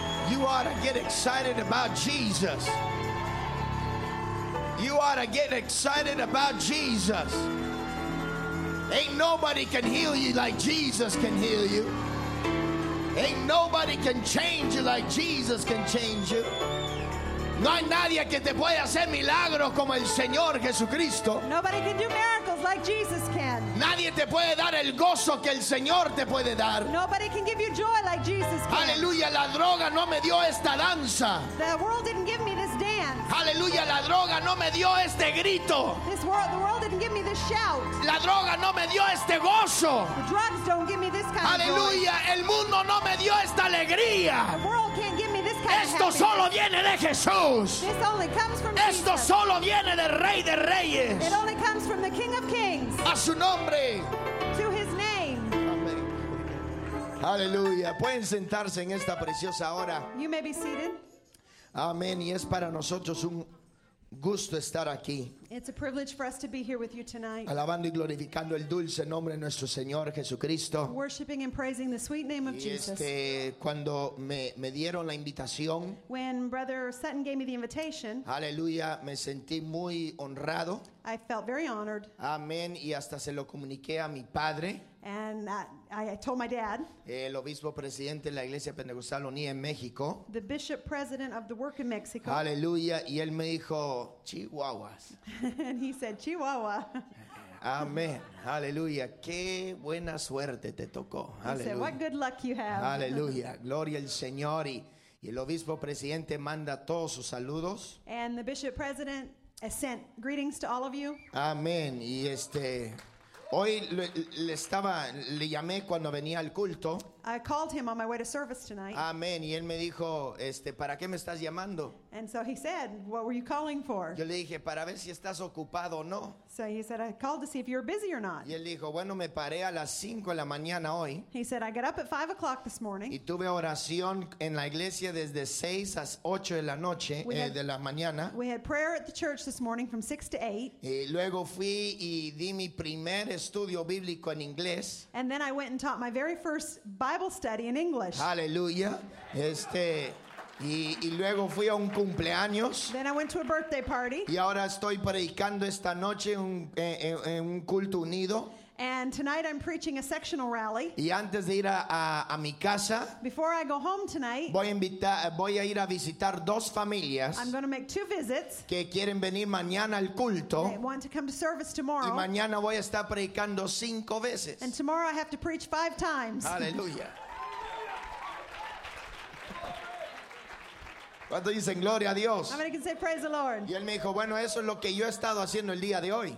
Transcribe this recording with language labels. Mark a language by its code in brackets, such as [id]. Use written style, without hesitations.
[en] You ought to get excited about Jesus. You ought to get excited about Jesus. Ain't nobody can heal you like Jesus can heal you. Ain't nobody can change you like Jesus can change you. [es] No hay nadie que te pueda hacer milagros como el Señor Jesucristo. [en] Nobody can do miracles like Jesus can. [es] Nadie te puede dar el gozo que el Señor te puede dar. [en] Nobody can give you joy like Jesus can. [es] Aleluya, la droga no me dio esta danza. [en] The world didn't give me this dance. [es] Aleluya, la droga no me dio este grito. [en] The world didn't give me this shout. [es] La droga no me dio este gozo. [en] The drugs don't give me this kind [es] Aleluya, Aleluya, el mundo no me dio esta alegría. [en] The world can't give me this kind [es] Esto [en] of happiness. [es] Esto solo viene de Jesús. [en] This only comes from [es] Esto [en] Jesus. [es] Solo viene del Rey de Reyes. [en] It only comes from the King of Kings. [es] A su nombre. [en] To his name. [es] Aleluya. Pueden sentarse en esta preciosa hora. [en] You may be seated. [es] Amén. Y es para nosotros un gusto estar aquí. [en] It's a privilege for us to be here with you tonight. [es] Alabando y glorificando el dulce nombre de nuestro Señor Jesucristo. [en] Worshiping and praising the sweet name of Jesus. [es] Cuando me dieron la invitación. [en] When Brother Sutton gave me the invitation. [es] Aleluya, me sentí muy honrado. [en] I felt very honored. [es] Amén, y hasta se lo comuniqué a mi padre. [en] And I told my dad. [es] El obispo presidente de la Iglesia Pentecostal Unida en México. [en] The bishop president of the work in Mexico. [es] Aleluya, y él me dijo, Chihuahuas. [en] And he said, Chihuahua. [es] Amén. Aleluya. Qué buena suerte te tocó. Aleluya. [en] Said, what good luck you have. [es] Aleluya. Gloria al Señor. Y el obispo presidente manda todos sus saludos. [en] And the bishop president has sent greetings to all of you. [es] Amén. Y este, hoy le llamé cuando venía al culto. [en] I called him on my way to service tonight. [es] Amén. Y él me dijo, este, ¿para qué me estás llamando? [en] And so he said, what were you calling for? [es] Yo le dije, para ver si estás ocupado o no. [en] So he said, I called to see if you're busy or not. [es] Y él dijo, bueno, me paré a las 5 de la mañana hoy. [en] He said, I got up at 5 o'clock this morning. [es] Y tuve oración en la iglesia desde 6 a 8 de la noche, de la mañana. [en] We had prayer at the church this morning from 6 to 8. [es] Y luego fui y di mi primer estudio bíblico en inglés. [en] And then I went and taught my very first Bible study in English. [es] Hallelujah. Este, y luego fui a un cumpleaños. [en] Then I went to a birthday party. [es] Y ahora estoy predicando esta noche en un culto unido. [en] And tonight I'm preaching a sectional rally. [es] Y antes de ir a mi casa, [en] before I go home tonight, [es] voy a ir a visitar dos familias. [en] I'm going to make two visits. [es] Que quieren venir mañana al culto. [en] They want to come to service tomorrow. [es] Y mañana voy a estar predicando cinco veces. [en] And tomorrow I have to preach five times. Hallelujah. [es] ¿Cuánto dicen gloria a Dios? [en] I mean, I can say praise the Lord. [es] Y él me dijo, bueno, eso es lo que yo he estado haciendo el día de hoy.